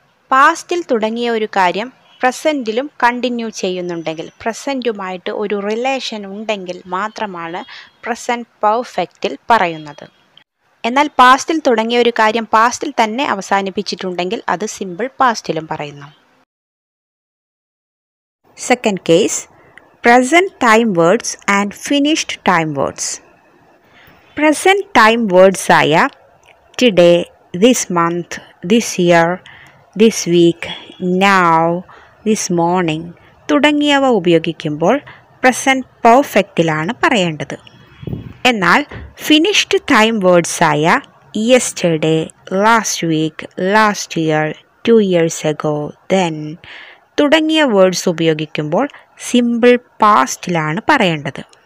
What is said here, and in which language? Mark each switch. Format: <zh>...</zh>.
<ml>പാസ്റ്റിൽ തുടങ്ങിയ ഒരു കാര്യം പ്രസൻറ്റിലും കണ്ടിന്യൂ ചെയ്യുന്നുണ്ടെങ്കിൽ പ്രസൻറ്റുമായിട്ട് ഒരു റിലേഷൻ ഉണ്ടെങ്കിൽ മാത്രമാണ് പ്രസൻറ്റ് പെർഫെക്റ്റിൽ പറയുന്നത് എന്നാൽ പാസ്റ്റിൽ തുടങ്ങിയ ഒരു കാര്യം പാസ്റ്റിൽ തന്നെ അവസാനിപ്പിച്ചിട്ടുണ്ടെങ്കിൽ അത് സിമ്പിൾ പാസ്റ്റിലും പറയുന്നു second case</ml> <en>Present time words and finished time words. Present time words</en> <ml>aya</ml> <en>today, this month, this year, this week, now, this morning,</en> <ml>തുടങ്ങിയവ ഉപയോഗിക്കുമ്പോൾ പ്രസൻറ്റ് പെർഫെക്റ്റിലാണ് പറയേണ്ടത്. എന്നാൽ finished time വേർഡ്സായ yesterday, last week, last year, two years ago, then തുടങ്ങിയ words ഉപയോഗിക്കുമ്പോൾ simple പാസ്റ്റിലാണ് പറയേണ്ടത്.</ml>